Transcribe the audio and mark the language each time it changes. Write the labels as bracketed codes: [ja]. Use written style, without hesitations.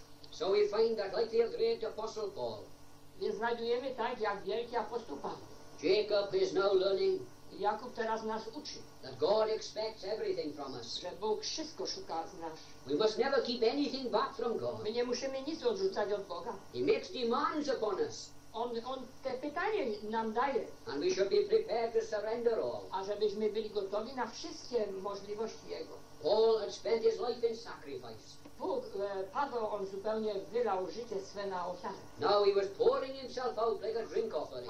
[en] So we find that like the great apostle Paul. [pl] Więc znajdujemy tak jak wielki apostoł Paweł. [en] Jacob is now learning. [pl] Jakub teraz nas uczy. [en] That God expects everything from us. [pl] Że Bóg wszystko szuka z nas. [en] We must never keep anything back from God. [pl] My nie musimy nic odrzucać od Boga. [en] He makes demands upon us. [pl] On te pytania nam daje. [en] And we should be prepared to surrender all. [pl] A żebyśmy byli gotowi na wszystkie możliwości Jego. [en] Paul had spent his life in sacrifice. [pl] Bóg, Paweł, on zupełnie wylał życie swe na ofiarę. [en] Now he was pouring himself out like a drink offering.